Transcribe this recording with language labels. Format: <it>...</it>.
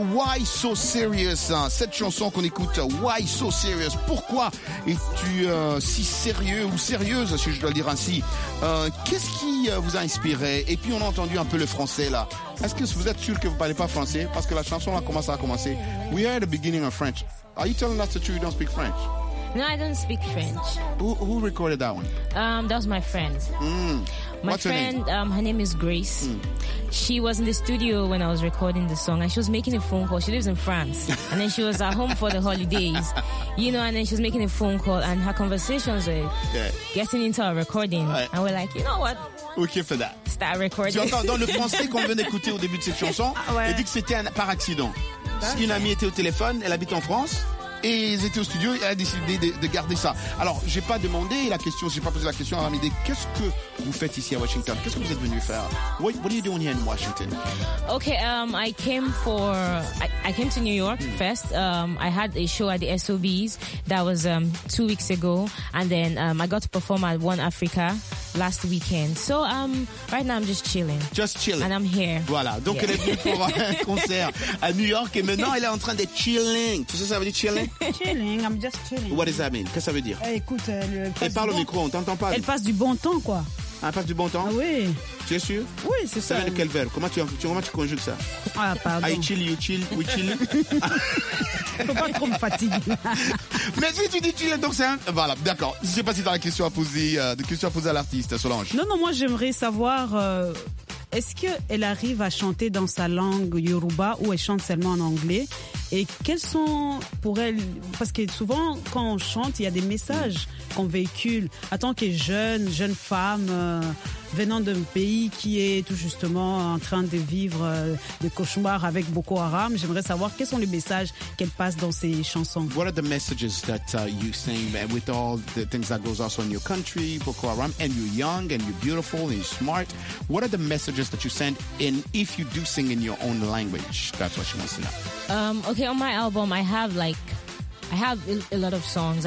<fr>Why So Serious? Cette chanson qu'on écoute, Why So Serious? Pourquoi es-tu si sérieux ou sérieuse, si je dois le dire ainsi? Qu'est-ce qui vous a inspiré? Et puis, on a entendu un peu le français là. Est-ce que vous êtes sûr que vous ne parlez pas français? Parce que la chanson là commence à commencer.</fr> <en>We are at the beginning of French. Are you telling us that you don't speak French? No, I don't speak French. Who recorded that one? That was my friend. Mm. My What's friend, her name? Her name is Grace. Mm. She was in the studio when I was recording the song, and she was making a phone call. She lives in France, and then she was at home for the holidays, you know, and then she was making a phone call, and her conversations were getting into our recording, and we're like, you know what? Okay for that. Start recording.</en> <fr>Tu entends, dans le français qu'on vient d'écouter au début de cette chanson, elle dit que c'était par accident. Une amie était au téléphone, elle habite en France. et ils étaient au studio et elle a décidé de garder ça. Alors, j'ai pas demandé la question, j'ai pas posé la question à Ramide, qu'est-ce que vous faites ici à Washington? Qu'est-ce que vous êtes venu faire?</fr> <en>What are you doing here in Washington? Okay, I came to New York first. I had a show at the SOBs that was 2 weeks ago, and then I got to perform at One Africa last weekend. So right now I'm just chilling. Just chilling. And I'm here.</en> <fr>Voilà. Donc yeah. Elle est venue pour un concert à New York et maintenant elle est en train de chilling. Tu sais ça veut dire chilling?</fr> <en>Chilling. I'm just chilling. What does that mean?</en> <fr>Qu'est-ce que ça veut dire? Écoute, elle parle au micro, on t'entend pas. Elle passe du bon temps quoi. Elle passe du bon temps? Ah, oui. Tu es sûr? Oui, c'est ça. Ça vient de quel verbe? Comment tu conjugues ça? Ah, pardon.</fr> <en>I chill, you chill, we chill.</en> <fr>Faut pas trop me fatiguer. Mais si tu dis chill, donc c'est un... Voilà, d'accord. Je sais pas si tu as la question à poser, de question à poser à l'artiste, Solange. Non, moi, j'aimerais savoir, est-ce qu'elle arrive à chanter dans sa langue Yoruba ou elle chante seulement en anglais? Et quels sont, pour elle... Parce que souvent, quand on chante, il y a des messages qu'on véhicule. En tant que jeune femme... venant d'un pays qui est tout justement en train de vivre des cauchemars avec Boko Haram, j'aimerais savoir quels sont les messages qu'elle passe dans ses chansons.</fr> <en>What are the messages that you sing with all the things that goes also in your country, Boko Haram, and you're young and you're beautiful and you're smart? What are the messages that you send in if you do sing in your own language? That's what she wants to know. Okay, on my album, I have a lot of songs.</en>